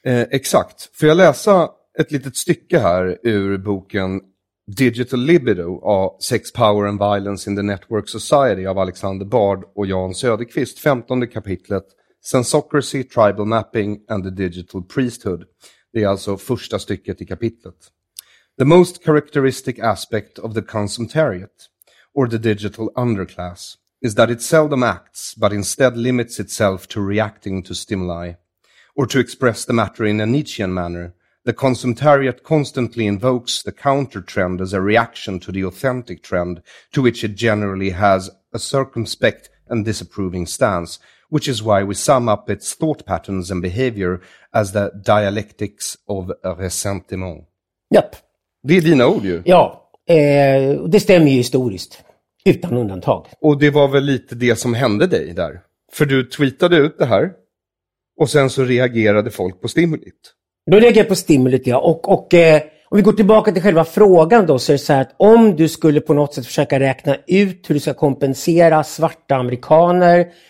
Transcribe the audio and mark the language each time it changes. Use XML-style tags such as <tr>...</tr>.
<sv>Exakt. Får jag läsa ett litet stycke här ur boken Digital Libido, Sex, Power and Violence in the Network Society av Alexander Bard och Jan Söderqvist, 15 kapitlet, Sensocracy, Tribal Mapping and the Digital Priesthood. Det är alltså första stycket i kapitlet.</sv> <en>The most characteristic aspect of the consumptariat, or the digital underclass, is that it seldom acts, but instead limits itself to reacting to stimuli, or to express the matter in a Nietzschean manner. The consumptariat constantly invokes the counter trend as a reaction to the authentic trend, to which it generally has a circumspect and disapproving stance, which is why we sum up its thought patterns and behavior as the dialectics of resentiment. Yep.</en> <sv>Det är dina ord ju. Ja, det stämmer ju historiskt, utan undantag. Och det var väl lite det som hände dig där. För du tweetade ut det här, och sen så reagerade folk på stimulit. Då lägger jag på stimulet, ja. Och om vi går tillbaka till själva frågan då, så är det så här att om du skulle på något sätt försöka räkna ut hur du ska kompensera svarta amerikaner</sv>